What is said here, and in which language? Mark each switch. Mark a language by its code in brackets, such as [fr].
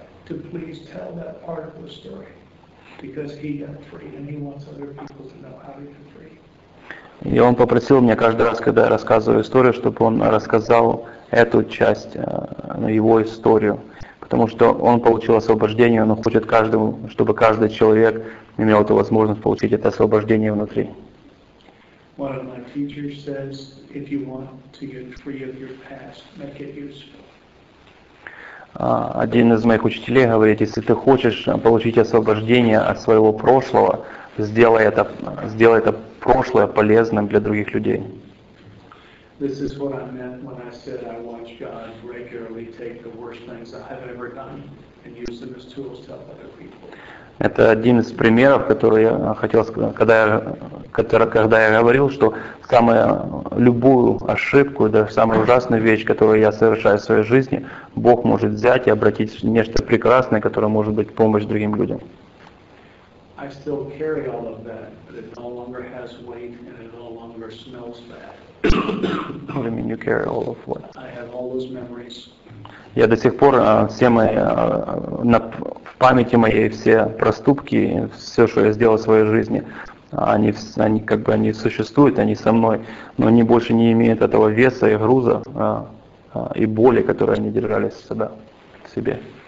[en] To please tell that part of the story, because he got free and he wants other people to know how he got free. [ru] И он попросил меня каждый раз, когда я рассказываю историю, чтобы он рассказал эту часть, его историю, потому что он получил освобождение, он хочет каждому, чтобы каждый человек имел эту возможность получить это освобождение внутри. [en] One of my teachers says, if you want to get free of your past, make it useful. [ru] Один из моих учителей говорит, если ты хочешь получить освобождение от своего прошлого, сделай это прошлое полезным для других людей. [en] This is what I meant when I said I watch God regularly take the worst things I have ever done and use them as tools to help other people. [ru] Это один из примеров, который я хотел сказать, когда я говорил, что самую любую ошибку, даже самую ужасную вещь, которую я совершаю в своей жизни, Бог может взять и обратить в нечто прекрасное, которое может быть помощь другим людям. [en] I still carry all of that, but it no longer has weight and it no longer smells bad. What do you mean you carry all of what? I have all those memories. [ru] Я до сих пор все мои в памяти моей все проступки, все, что я сделал в своей жизни, они существуют, они со мной, но они больше не имеют этого веса и груза и боли, которые они держали сюда в себе.